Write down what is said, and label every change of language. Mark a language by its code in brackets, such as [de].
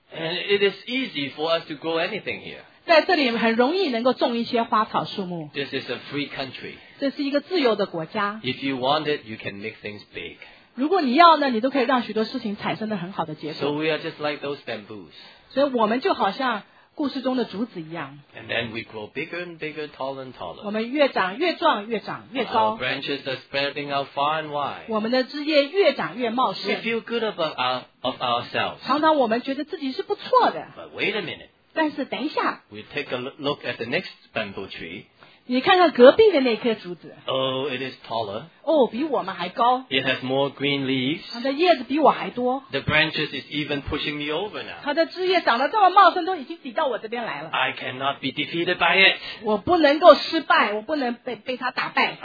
[en] And it is easy for us to grow anything here. [zh] 在这里很容易能够种一些花草树木。 [en] This is a free country. [zh] 这是一个自由的国家。 [en] If you want it, you can make things big. [zh] 如果你要呢，你都可以让许多事情产生的很好的结果。 [en] So we are just like those bamboos. [zh] 所以我们就好像故事中的竹子一样。 [en] And then we grow bigger and bigger, taller and taller. [zh] 我们越长越壮，越长越高。 [en] Our branches are spreading out far and wide. [zh] 我们的枝叶越长越茂盛。 [en] We feel good about of ourselves. [zh] 常常我们觉得自己是不错的。 [en] But wait a minute. [zh] 但是等一下。 [en] We take a look at the next bamboo tree. [zh] 你看看隔壁的那棵竹子。 [en] Oh, it is taller. [zh] 比我们还高。 [en] It has more green leaves. [zh] 它的叶子比我还多。 [en] The branches is even pushing me over now. [zh] 它的枝叶长得这么茂盛，都已经抵到我这边来了。 [en] I cannot be defeated by it. [zh] 我不能够失败，我不能被它打败。